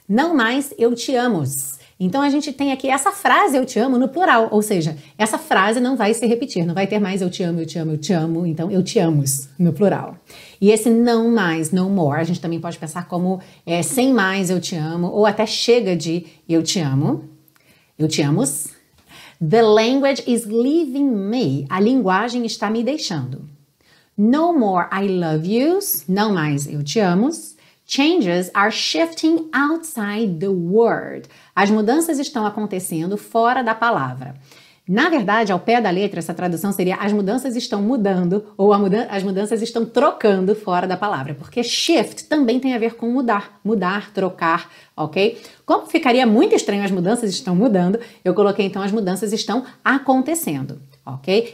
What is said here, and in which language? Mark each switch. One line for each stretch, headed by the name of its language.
Portuguese: Não mais eu te amo. Então, a gente tem aqui essa frase, eu te amo, no plural. Ou seja, essa frase não vai se repetir. Não vai ter mais eu te amo, eu te amo, eu te amo. Então, eu te amo no plural. E esse não mais,
English: no more,
Portuguese: a gente também pode pensar como sem mais eu te amo. Ou até chega de eu te amo. Eu te amo.
English: The language is leaving me.
Portuguese: A linguagem está me deixando.
English: No more I love yous.
Portuguese: Não mais eu te amo.
English: Changes are shifting outside the word.
Portuguese: As mudanças estão acontecendo fora da palavra. Na verdade, ao pé da letra, essa tradução seria as mudanças estão mudando ou as mudanças estão trocando fora da palavra. Porque shift também tem a ver com mudar. Mudar, trocar, ok? Como ficaria muito estranho as mudanças estão mudando, eu coloquei então as mudanças estão acontecendo, ok?